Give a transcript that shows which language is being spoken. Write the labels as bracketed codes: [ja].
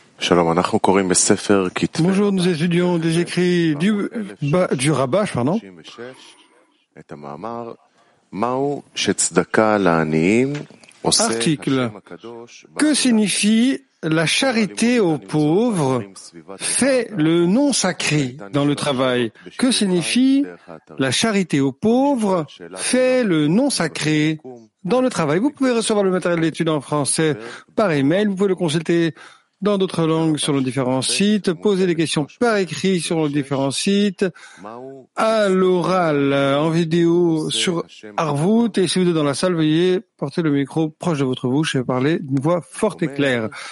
[he] Shalom, אנחנו קוראים בספר כתבי [fr] Bonjour, nous étudions des écrits du Rabash, pardon. [he] את המאמר מהו שצדקה לעניים עושה [fr] Article. Que signifie la charité aux pauvres fait le nom sacré dans le travail? Que signifie la charité aux pauvres fait le nom sacré dans le travail? Vous pouvez recevoir le matériel d'étude en français par email, vous pouvez le consulter dans d'autres langues sur nos différents sites, poser des questions par écrit sur nos différents sites, à l'oral, en vidéo, sur Arvout, et si vous êtes dans la salle, veuillez porter le micro proche de votre bouche et parler d'une voix forte et claire.